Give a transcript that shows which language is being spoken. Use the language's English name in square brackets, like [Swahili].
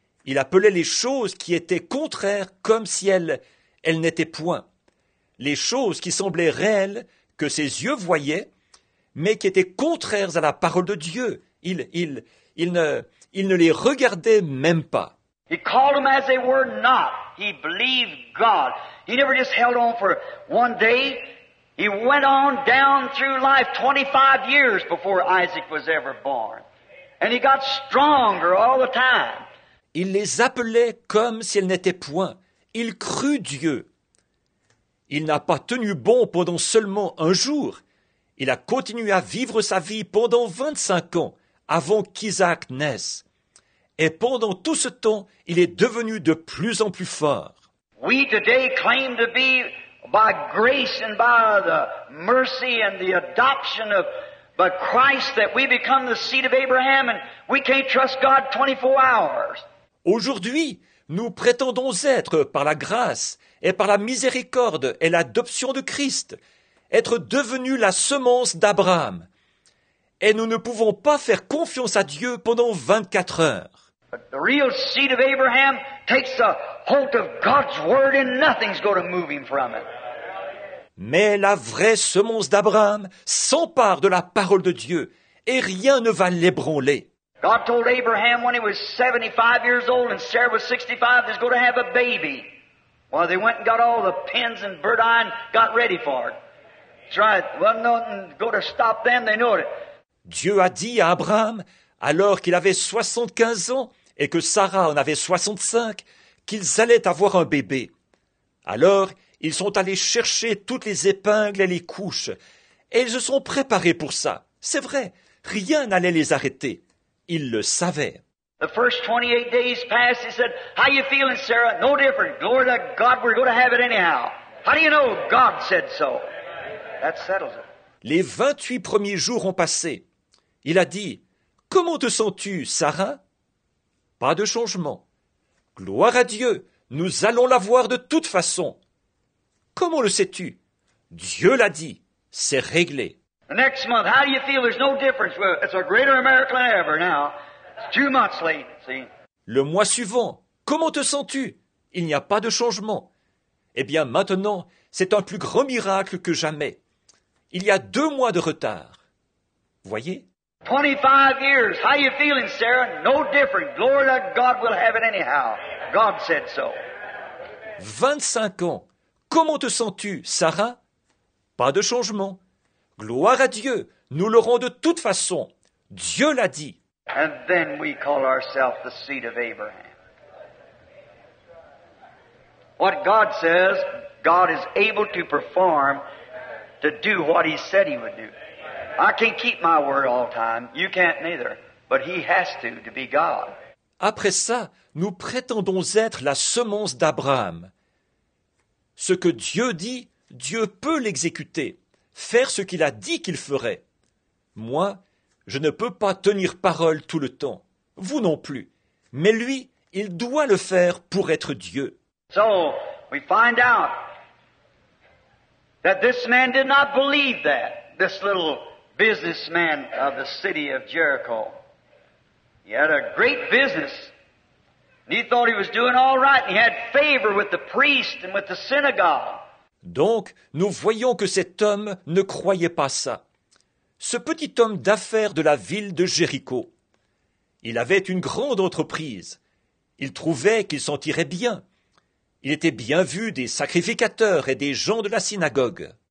[French] Il appelait les choses qui étaient contraires comme si elles n'étaient point. Les choses qui semblaient réelles, que ses yeux voyaient, mais qui étaient contraires à la parole de Dieu. Il ne les regardait même pas. [English] He called them as they were not. He believed God. He never just held on for one day. He went on down through life 25 years before Isaac was ever born. And he got stronger all the time. [French] Il les appelait comme si elles n'étaient point. Il crut Dieu. Il n'a pas tenu bon pendant seulement un jour. Il a continué à vivre sa vie pendant 25 ans avant qu'Isaac naisse. Et pendant tout ce temps, il est devenu de plus en plus fort. [English] We today claim to be by grace and by the mercy and the adoption of by Christ that we become the seed of Abraham and we can't trust God 24 hours. [French] Aujourd'hui, nous prétendons être par la grâce et par la miséricorde et l'adoption de Christ, être devenu la semence d'Abraham. Et nous ne pouvons pas faire confiance à Dieu pendant 24 heures. [English] But the real seed of Abraham takes the hold of God's word and nothing's going to move him from it. [French] Mais la vraie semence d'Abraham s'empare de la parole de Dieu et rien ne va l'ébranler. [English] God told Abraham when he was 75 years old and Sarah was 65, he's going to have a baby. Well, they went and got all the pins and burdock and got ready for it. That's right. Well, nothing going to stop them. They know it. [French] Dieu a dit à Abraham, alors qu'il avait 75 ans et que Sarah en avait 65, qu'ils allaient avoir un bébé. Alors, ils sont allés chercher toutes les épingles et les couches. Et ils se sont préparés pour ça. C'est vrai, rien n'allait les arrêter. Ils le savaient. [English] The first 28 days passed, he said, how you feeling, Sarah? No different. Glory to God, we're going to have it anyhow. How do you know God said so? That settles it. [French] Les 28 premiers jours ont passé. Il a dit, « Comment te sens-tu, Sarah ?» Pas de changement. « Gloire à Dieu, nous allons la voir de toute façon. » « Comment le sais-tu ? » « Dieu l'a dit, c'est réglé. » [English] The next month, how do you feel? There's no difference. Well, it's a greater miracle than ever now. It's 2 months late, see. [French] Le mois suivant, comment te sens-tu ? Il n'y a pas de changement. Eh bien, maintenant, c'est un plus grand miracle que jamais. Il y a 2 mois de retard. Voyez ? [English] 25 years. How are you feeling, Sarah? No different. Glory to God, we'll have it anyhow. God said so. [French] 25 ans. Comment te sens-tu, Sarah? Pas de changement. Gloire à Dieu. Nous l'aurons de toute façon. Dieu l'a dit. [English] And then we call ourselves the seed of Abraham. What God says, God is able to perform to do what he said he would do. I can't keep my word all time. You can't neither. But he has to be God. [French] Après ça, nous prétendons être la semence d'Abraham. Ce que Dieu dit, Dieu peut l'exécuter, faire ce qu'il a dit qu'il ferait. Moi, je ne peux pas tenir parole tout le temps. Vous non plus. Mais lui, il doit le faire pour être Dieu. [English] So, we find out that this man did not believe that, this little businessman of the city of Jericho. He had a great business. He thought he was doing all right. He had favor with the priest and with the synagogue. [French] Donc, nous voyons que cet homme ne croyait pas ça. Ce petit homme d'affaires de la ville de Jéricho. Il avait une grande entreprise. Il trouvait qu'il s'en tirait bien. Il était bien vu des sacrificateurs et des gens de la synagogue.